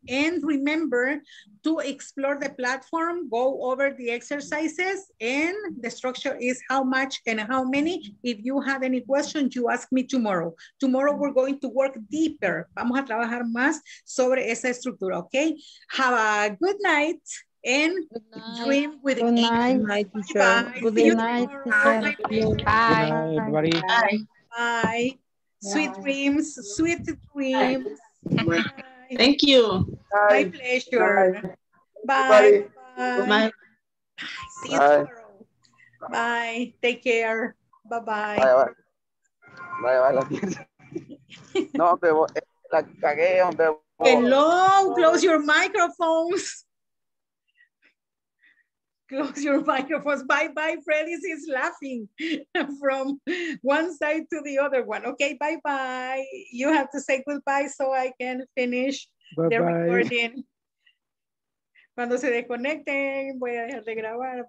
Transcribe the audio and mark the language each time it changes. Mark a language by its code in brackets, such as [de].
[en] And remember to explore the platform, go over the exercises, and the structure is how much and how many. If you have any questions, you ask me tomorrow. Tomorrow we're going to work deeper. [es] Vamos a trabajar más sobre esa estructura, okay? [en] Have a good night. And dream with good night, teacher. Good night. Bye. Sweet dreams. Bye. Thank you. My pleasure. Bye. See you tomorrow. Bye. Take care. Bye. [es] No, la cagué, hombre. [en] Hello, close your microphones. close your microphones. Bye bye, Freddy is laughing from one side to the other one. Okay, bye bye. You have to say goodbye so I can finish the recording. [es] Cuando se desconecten, voy a dejar de grabar.